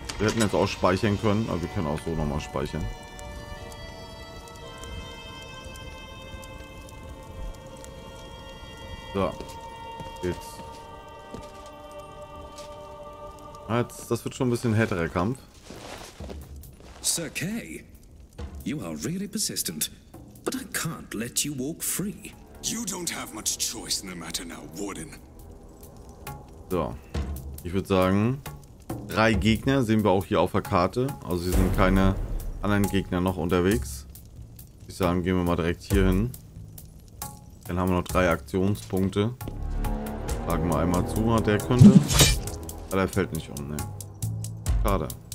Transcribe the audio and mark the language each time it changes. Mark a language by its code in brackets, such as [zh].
[de] Wir hätten jetzt auch speichern können, aber wir können auch so nochmal speichern. So. Jetzt. Jetzt, das wird schon ein bisschen härterer Kampf. [en] Sir Kay, you are really persistent, but I can't let you walk free. You don't have much choice in the matter now, Warden. [de] So. Ich würde sagen, 3 Gegner sehen wir auch hier auf der Karte. Also hier sind keine anderen Gegner noch unterwegs. Ich würde sagen, gehen wir mal direkt hier hin. Dann haben wir noch 3 Aktionspunkte. Fragen wir einmal zu, was der könnte. Ah, der fällt nicht um, ne. Schade.